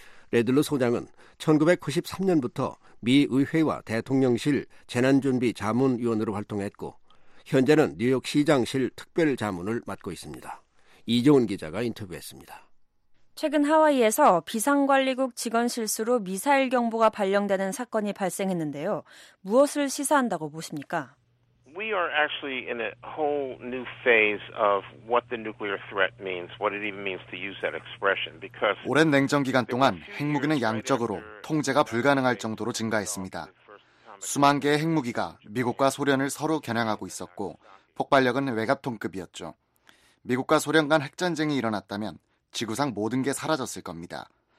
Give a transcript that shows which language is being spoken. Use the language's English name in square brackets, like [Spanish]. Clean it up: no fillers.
[Korean] 레들러 소장은 1993년부터 미 의회와 대통령실 재난준비자문위원으로 활동했고 현재는 뉴욕 시장실 특별자문을 맡고 있습니다. 이종훈 기자가 인터뷰했습니다. 최근 하와이에서 비상관리국 직원 실수로 미사일 경보가 발령되는 사건이 발생했는데요. 무엇을 시사한다고 보십니까? [English] We are actually in a whole new phase of what the nuclear threat means, what it even means to use that expression. Because [Korean] 오랜 냉전 기간 동안 핵무기는 양적으로 통제가 불가능할 정도로 증가했습니다. 수만 개의 핵무기가 미국과 소련을 서로 겨냥하고 있었고 폭발력은 외갑통급이었죠. 미국과 소련 간 핵전쟁이 일어났다면 지구상 모든 게 사라졌을 겁니다.